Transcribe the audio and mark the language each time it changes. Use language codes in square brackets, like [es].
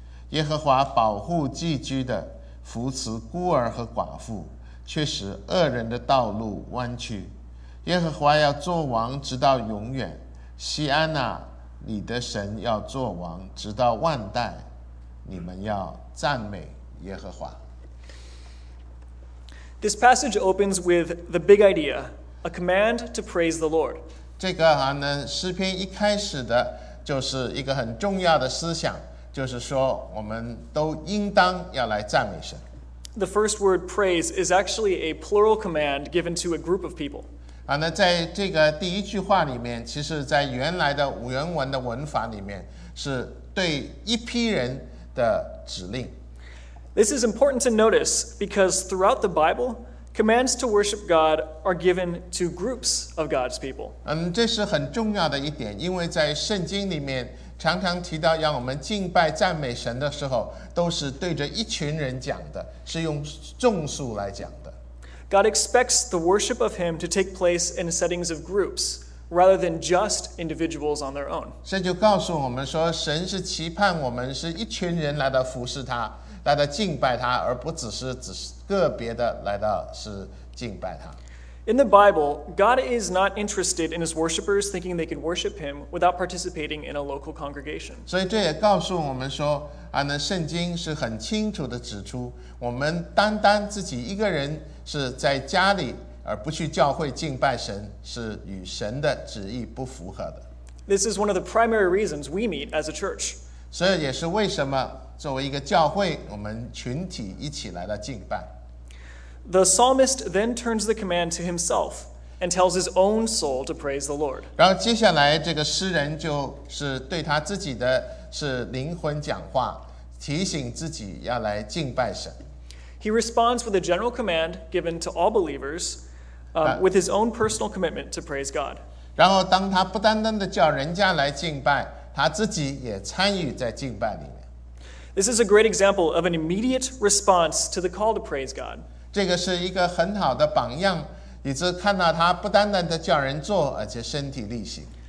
[zh] 耶和华保护寄居的，扶持孤儿和寡妇，却使恶人的道路弯曲。耶和华要作王直到永远，锡安啊，你的神要作王直到万代，你们要赞美耶和华。 [en] This passage opens with the big idea, a command to praise the Lord. [zh] 这个啊呢，诗篇一开始的就是一个很重要的思想，就是说我们都应当要来赞美神。 [en] The first word praise is actually a plural command given to a group of people. [zh] 那在这个第一句话里面，其实在原来的原文的文法里面，是对一批人的指令。 [en] This is important to notice because throughout the Bible, commands to worship God are given to groups of God's people. [zh] 这是很重要的一点，因为在圣经里面常常提到让我们敬拜赞美神的时候，都是对着一群人讲的，是用众数来讲的。 [en] God expects the worship of him to take place in settings of groups rather than just individuals on their own. [zh] 这就告诉我们说，神是期盼我们是一群人来到服侍他，来到敬拜他，而不只是个别的来到是敬拜他。 [en] In the Bible, God is not interested in his worshippers thinking they can worship him without participating in a local congregation. [zh] 所以这也告诉我们说，那圣经是很清楚地指出，我们单单自己一个人是在家里而不去教会敬拜神，是与神的旨意不符合的。 [en] This is one of the primary reasons we meet as a church. [zh] 所以也是为什么作为一个教会，我们群体一起来到敬拜。 [en] The psalmist then turns the command to himself and tells his own soul to praise the Lord. [zh] 然后接下来这个诗人就是对他自己的是灵魂讲话，提醒自己要来敬拜神。 [en] He responds with a general command given to all believers, with his own personal commitment to praise God. [zh] 然后当他不单单的叫人家来敬拜，他自己也参与在敬拜里面。 [en] This is a great example of an immediate response to the call to praise God. [zh] 这个是一个很好的榜样，以致看到他不单单的叫人做，而且身体力行。